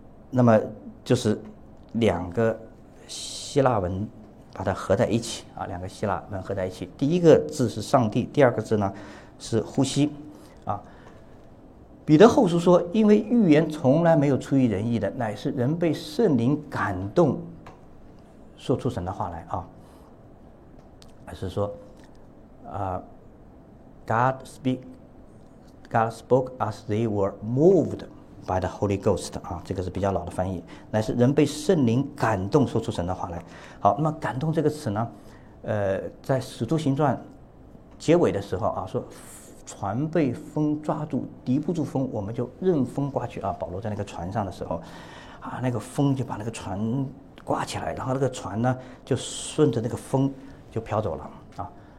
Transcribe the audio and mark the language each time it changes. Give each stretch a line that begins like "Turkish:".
Chinese: 那么就是两个希腊文把它合在一起啊，两个希腊文合在一起，第一个字是上帝，第二个字呢是呼吸啊。彼得后书说，因为预言从来没有出于人意的，乃是人被圣灵感动说出神的话来啊，还是说
English: God speak God spoke as they were moved by the Holy Ghost.
Chinese: 啊，这个是比较老的翻译，乃是人被圣灵感动说出神的话来。好，那么感动这个词呢，在使徒行传结尾的时候啊，说船被风抓住，敌不住风，我们就任风刮去啊。保罗在那个船上的时候，啊，那个风就把那个船刮起来，然后那个船呢就顺着那个风就飘走了啊。